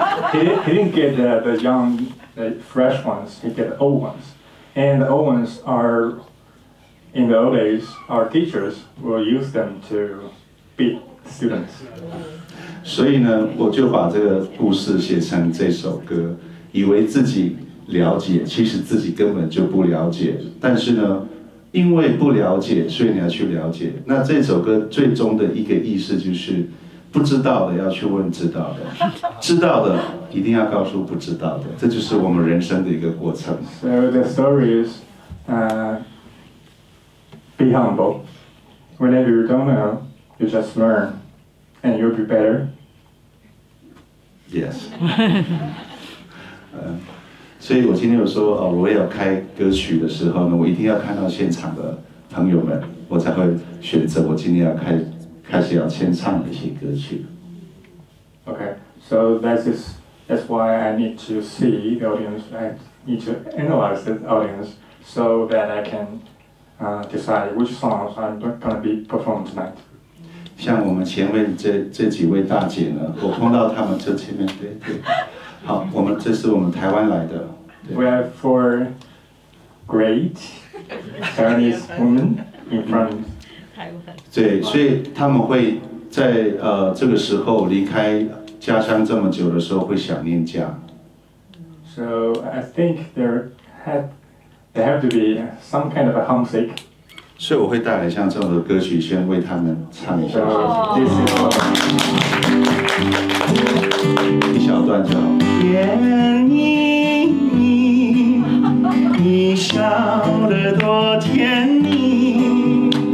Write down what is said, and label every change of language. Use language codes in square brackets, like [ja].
[en] he didn't get the young, the fresh ones. He get the old ones, and the old ones are, in the old days, our teachers will use them to beat students. [zh] 所以呢，我就把这个故事写成这首歌，以为自己了解，其实自己根本就不了解。但是呢，因为不了解，所以你要去了解。那这首歌最终的一个意思就是。不知道的要去问知道的，知道的一定要告诉不知道的，这就是我们人生的一个过程。 [en] So the story is, be humble. Whenever you don't know, you just learn, and you'll be better. Yes. [zh] 所以我今天有说哦，我要开歌曲的时候呢，我一定要看到现场的朋友们，我才会选择我今天要开。开始要先唱一些歌曲。 [en] Okay, so that's why I need to see the audience. I need to analyze the audience so that I can decide which songs I'm gonna be performing tonight. [zh] 像我们前面这几位大姐呢，我碰到他们就前面对对。好，我们这是我们台湾来的。 [en] We have four great Chinese women in front. [zh] 对，所以他们会在这个时候离开家乡这么久的时候会想念家。 [en] So I think there have to be some kind of a homesick. [zh] 所以我会带来像这样的歌曲，先为他们唱一下。 [en] So, this is all. [zh] 一小段就好。愿意你笑得多甜蜜。